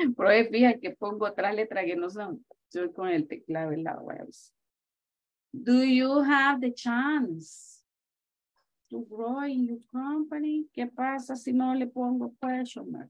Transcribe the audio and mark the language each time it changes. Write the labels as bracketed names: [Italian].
[Spanish] Pero fija que pongo otras letras que no son. Yo con el teclado en la web. [English] Do you have the chance to grow in your company? [Spanish] ¿Qué pasa si no le pongo question mark?